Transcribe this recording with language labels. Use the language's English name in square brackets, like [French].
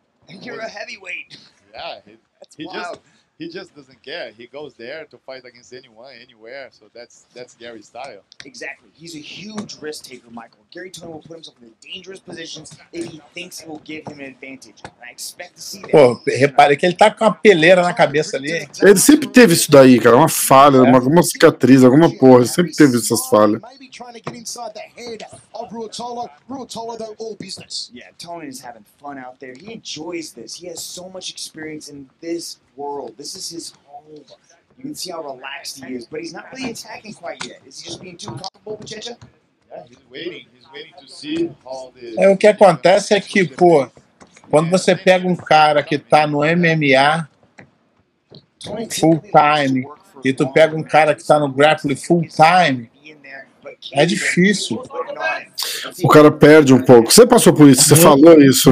[English] You're a heavyweight. Yeah, he just doesn't care. He goes there to fight against anyone, anywhere. So that's Gary's style. Exactly. He's a huge risk taker, Michael. Gary Tony will put himself in dangerous positions if he thinks it will give him an advantage. And I expect to see that. [Portuguese] Pô, repare que ele tá com uma peleira na cabeça ali. Ele sempre teve isso daí, cara. Uma falha, alguma cicatriz, alguma porra. Ele sempre teve essas falhas. [English] Maybe trying to get inside the head of Ruotolo. Ruotolo, though, all business. Yeah, Tony is having fun out there. He enjoys this. He has so much experience in this world. This is his home. You can see how relaxed he is, but he's not really attacking quite yet. Is he just being too comfortable, Pichincha? Yeah, he's waiting to see all the... [Portuguese] É, o que acontece é que, pô, quando você pega um cara que tá no MMA full time e tu pega um cara que tá no grappling full time, é difícil. O cara perde um pouco. Você passou por isso, você falou isso,